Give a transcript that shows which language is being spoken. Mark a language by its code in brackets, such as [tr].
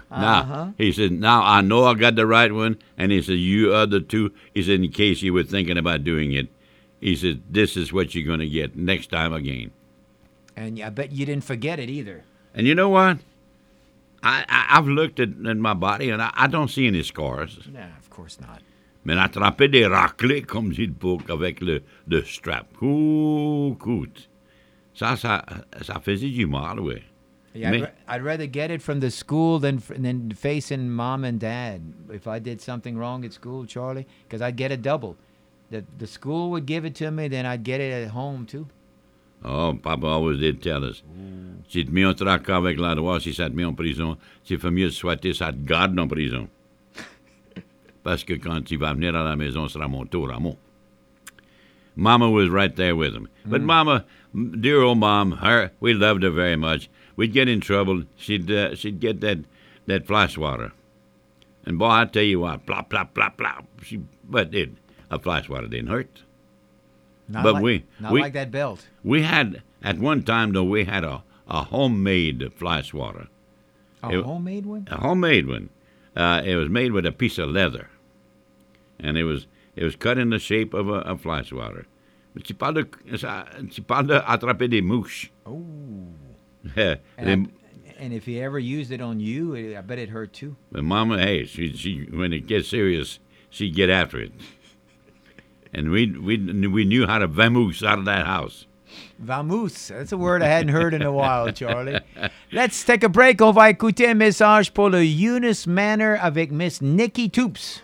[en] Now, he said, now I know I got the right one. And he said, you other two, he said, in case you were thinking about doing it, he said, this is what you're going to get next time again. And I bet you didn't forget it either. And you know what? I've looked at my body, and I don't see any scars. Nah, of course not. [fr] Mais attraper des raclés comme j'ai le bouc avec le strap. Ooh, coot. Ça faisait du mal, oui. [en] Yeah, I'd rather get it from the school than facing Mom and Dad. If I did something wrong at school, Charlie, because I'd get a double. The school would give it to me, then I'd get it at home, too. Oh, Papa always did tell us. [fr] Si tu mets un tracas avec la loi, si ça te met en prison, c'est mieux de souhaiter ça te garde en prison. Parce que quand tu vas venir à la maison, sera mon tour à moi. [en] Mama was right there with him. But Mama, dear old Mom, we loved her very much. We'd get in trouble. She'd get that fly swatter. And boy, I tell you what, plop, plop, plop, plop. A fly swatter didn't hurt. Not like that belt. We had, at one time, though, we had a homemade fly swatter. A homemade one? A homemade one. It was made with a piece of leather. And it was cut in the shape of a fly swatter. But [fr] c'est pas de attraper des mouches. [en] Oh. and if he ever used it on you, I bet it hurt too. But Mama, hey, she when it gets serious, she'd get after it. And we knew how to vamoose out of that house. Vamoose, that's a word I hadn't heard in a while, Charlie. Let's take a break. [fr] On va écouter un message pour le Eunice Manor avec Miss Nikki Toops.